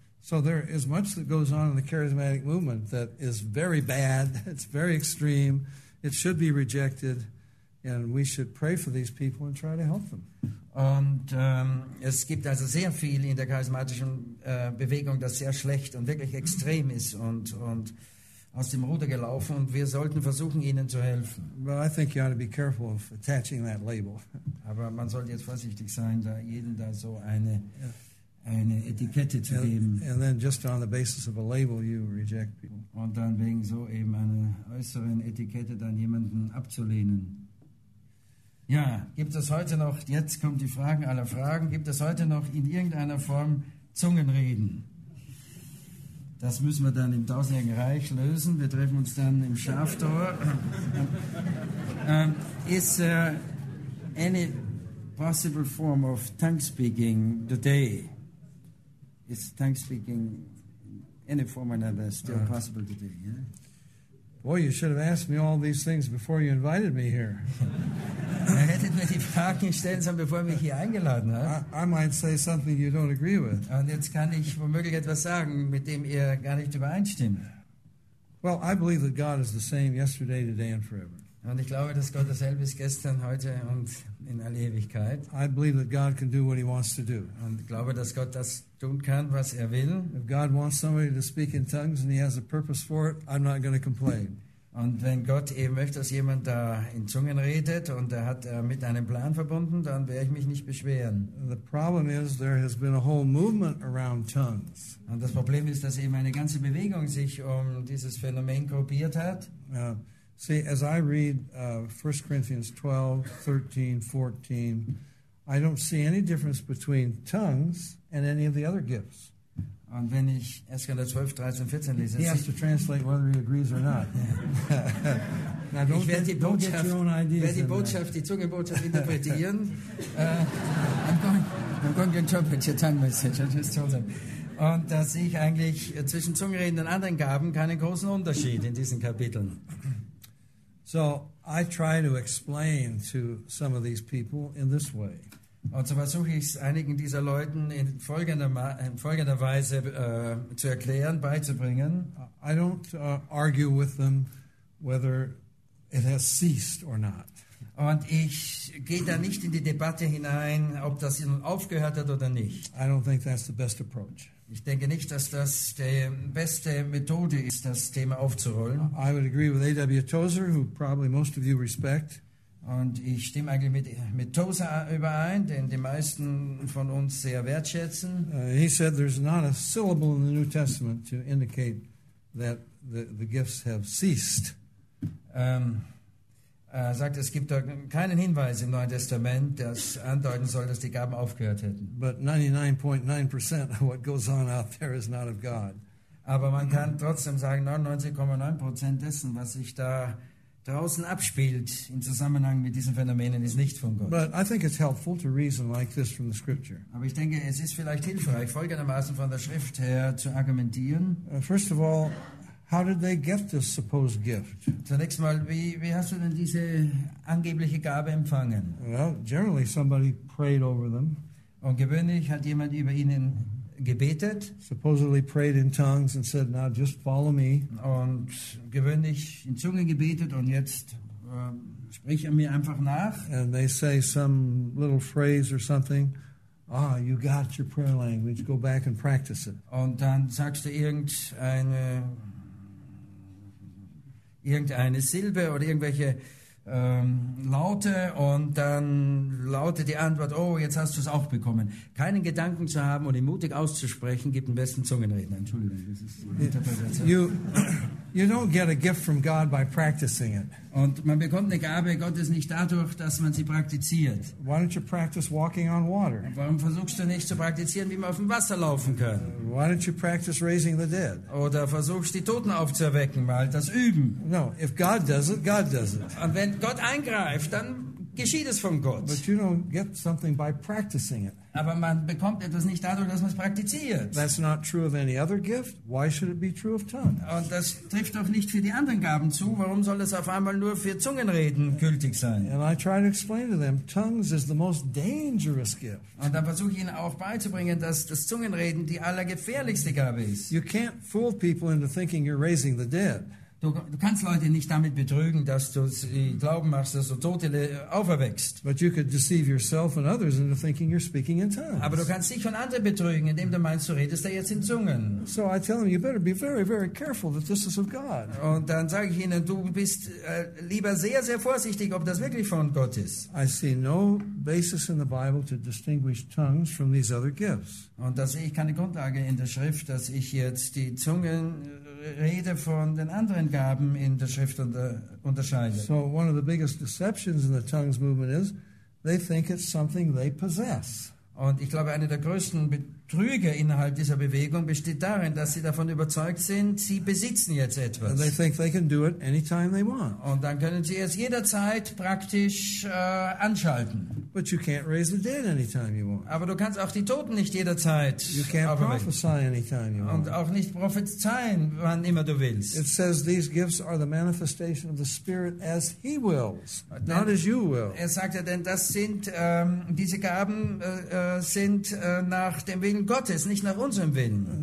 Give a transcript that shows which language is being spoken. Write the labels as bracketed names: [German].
[English] So there is much that goes on in the charismatic movement that is very bad, it's very extreme, it should be rejected, and we should pray for these people and try to help them. [German] Und es gibt also sehr viel in der charismatischen Bewegung, das sehr schlecht und wirklich extrem ist und aus dem Ruder gelaufen, und wir sollten versuchen, ihnen zu helfen. [English] Well, I think you ought to be careful of attaching that label. [German] Aber man sollte jetzt vorsichtig sein, da jedem da so eine Etikette zu geben. [English] And then just on the basis of a label, you reject people. [German] Und dann wegen so eben einer äußeren Etikette dann jemanden abzulehnen. Ja, gibt es heute noch, jetzt kommt die Frage aller Fragen, gibt es heute noch in irgendeiner Form Zungenreden? Das müssen wir dann im Tausendjährigen Reich lösen. Wir treffen uns dann im Schaftor. [English] Is there any possible form of tongue speaking today? Is tongue speaking any form or another still possible today? Yeah? Boy, you should have asked me all these things before you invited me here. [German] Ihr hättet mir die Fragen stellen sollen, bevor ihr mich hier eingeladen habt. [English] I might say something you don't agree with. [German] Und jetzt kann ich womöglich etwas sagen, mit dem ihr gar nicht übereinstimmt. [English] Well, I believe that God is the same yesterday, today and forever. [German] Und ich glaube, dass Gott dasselbe ist gestern, heute und in alle Ewigkeit. [English] I believe that God can do what he wants to do. [German] Und ich glaube, dass Gott das tun kann, was er will. [English] If God wants somebody to speak in tongues and he has a purpose for it, I'm not going to complain. [German] Und wenn Gott eben möchte, dass jemand da in Zungen redet und er hat mit einem Plan verbunden, dann werde ich mich nicht beschweren. [English] The problem is, there has been a whole movement around tongues. [German] Und das Problem ist, dass eben eine ganze Bewegung sich um dieses Phänomen gruppiert hat. [English] See, as I read 1 Corinthians 12, 13, 14, I don't see any difference between tongues and any of the other gifts. [German] Und wenn ich 1. 12, 13, 14 lese, [English] he has to translate whether he agrees or not. Now, don't get your own ideas. [German] Werde die Botschaft, die Zungenbotschaft interpretieren. [English] I'm going to interpret your tongue message. I just told them. [German] Und da sehe ich eigentlich zwischen Zungenreden und anderen Gaben keinen großen Unterschied in diesen Kapiteln. [English] So I try to explain to some of these people in this way. [German] Und so versuche ich es einigen dieser Leuten in folgender Weise zu erklären, beizubringen. [English] I don't argue with them whether it has ceased or not. [German] Und ich gehe da nicht in die Debatte hinein, ob das nun aufgehört hat oder nicht. [English] I don't think that's the best approach. [German] Ich denke nicht, dass das die beste Methode ist, das Thema aufzurollen. [English] I would agree with A.W. Tozer, who probably most of you respect. [German] Und ich stimme eigentlich mit Tozer überein, den die meisten von uns sehr wertschätzen. [English] He said there's not a syllable in the New Testament to indicate that the gifts have ceased. [German] Er sagt, es gibt keinen Hinweis im Neuen Testament, das andeuten soll, dass die Gaben aufgehört hätten. [English] But 99.9% of what goes on out there is not of God. [German] Aber man kann trotzdem sagen, 99.9% dessen, was sich da draußen abspielt im Zusammenhang mit diesen Phänomenen, ist nicht von Gott. [English] But I think it's helpful to reason like this from the scripture. [German] Aber ich denke, es ist vielleicht hilfreich, folgendermaßen von der Schrift her zu argumentieren. [English] First of all, how did they get this supposed gift? [German] Zunächst mal, wie hast du denn diese angebliche Gabe empfangen? [English] Well, generally somebody prayed over them. [German] Und gewöhnlich hat jemand über ihnen gebetet. [English] Supposedly prayed in tongues and said, "Now just follow me." [German] Und gewöhnlich in Zungen gebetet und jetzt sprich an mir einfach nach. [English] And they say some little phrase or something. Ah, you got your prayer language. Go back and practice it. [German] Und dann sagst du irgendeine Silbe oder irgendwelche Laute und dann lautet die Antwort, oh, jetzt hast du es auch bekommen. Keinen Gedanken zu haben und ihn mutig auszusprechen, gibt den besten Zungenredner. Entschuldigung, das ist Interpretation. [English] You don't get a gift from God by practicing it. [German] Und man bekommt eine Gabe Gottes nicht dadurch, dass man sie praktiziert. [English] Why don't you practice walking on water? [German] Warum versuchst du nicht zu praktizieren, wie man auf dem Wasser laufen kann? [English] Why don't you practice raising the dead? [German] Oder versuchst die Toten aufzuerwecken, mal das üben. [English] No, if God does it, God does it. [German] Und wenn Gott eingreift, dann geschieht es von Gott. [English] But you don't get something by practicing it. [German] Aber man bekommt etwas nicht dadurch, dass man es praktiziert. [English] That's not true of any other gift. Why should it be true of tongues? [German] Und das trifft doch nicht für die anderen Gaben zu. Warum soll es auf einmal nur für Zungenreden gültig sein? [English] And I try to explain to them, tongues is the most dangerous gift. [German] Und dann versuche ich ihnen auch beizubringen, dass das Zungenreden die allergefährlichste Gabe ist. [English] You can't fool people into thinking you're raising the dead. [German] Du kannst Leute nicht damit betrügen, dass du sie glauben machst, dass du Tote auferweckst. [English] But you could deceive yourself and others into thinking you're speaking in tongues. [German] Aber du kannst dich und andere betrügen, indem du meinst, du redest da jetzt in Zungen. [English] So I tell them, you better be very, very careful that this is of God. [German] Und dann sage ich ihnen, du bist lieber sehr, sehr vorsichtig, ob das wirklich von Gott ist. [English] I see no basis in the Bible to distinguish tongues from these other gifts. [German] Und da sehe ich keine Grundlage in der Schrift, dass ich jetzt die Zungen rede von den anderen Gaben in der Schrift unterscheide. [English] So one of the biggest deceptions in the tongues movement is they think it's something they possess. [German] Und ich glaube, eine der größten Betrüge innerhalb dieser Bewegung besteht darin, dass sie davon überzeugt sind, sie besitzen jetzt etwas. [English] And they think they can do it anytime they want. [German] Und dann können sie es jederzeit praktisch anschalten. [English] But you can't raise the dead anytime you want. [German] Aber du kannst auch die Toten nicht jederzeit aufwecken. Und auch nicht prophezeien, wann immer du willst. [English] It says these gifts are the manifestation of the Spirit as He wills, not as you will. [German] Er sagt ja, denn das sind diese Gaben sind nach dem Willen Gottes, nicht nach unserem Willen.